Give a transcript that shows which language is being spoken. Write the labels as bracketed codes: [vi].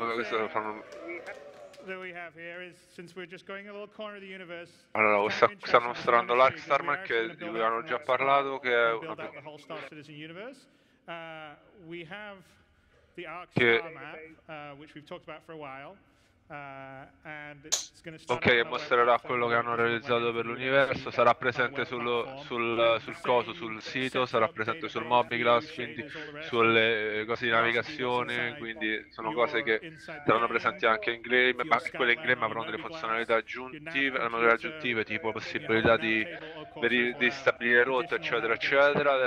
[en] that we have here is, since we're just going a little corner of the universe. [it] Allora, stanno mostrando l'Arc Starman, che di cui hanno già parlato, che è una whole Star Citizen universe. [en] We have the Arc Star map, which we've talked about for a while. And it's gonna start. [it] Okay, mostrerà quello che hanno realizzato per l'universo, sarà presente sul sito, sarà presente sul Mobiglass, quindi sulle cose di navigazione, quindi sono cose che saranno presenti anche in Gleam, ma quelle in Gleam avranno delle funzionalità aggiuntive, tipo possibilità di stabilire rotte, eccetera, eccetera.